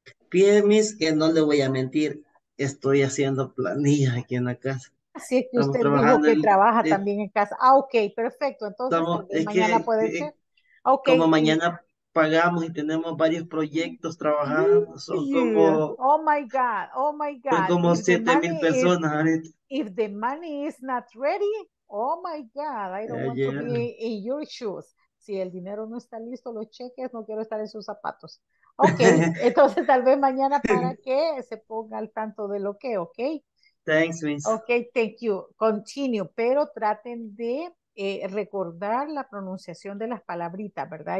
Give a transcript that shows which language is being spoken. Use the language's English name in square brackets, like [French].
[Spanish] Bien, Miss, que no le voy a mentir, estoy haciendo planilla aquí en la casa. Así es que estamos usted dijo que trabaja también en casa. Ah, ok, perfecto. Entonces, mañana puede ser. Okay. Como mañana pagamos y tenemos varios proyectos trabajando, son como 7,000 personas ahorita. [English] If the money is not ready, oh my God, I don't want to be in your shoes. [Spanish] Si el dinero no está listo, los cheques, no quiero estar en sus zapatos. Ok, entonces tal vez mañana para que se ponga al tanto de lo que, ok? [English] Thanks, Miss. Ok, thank you. [Spanish] Continue, pero traten de recordar la pronunciación de las palabritas, ¿verdad?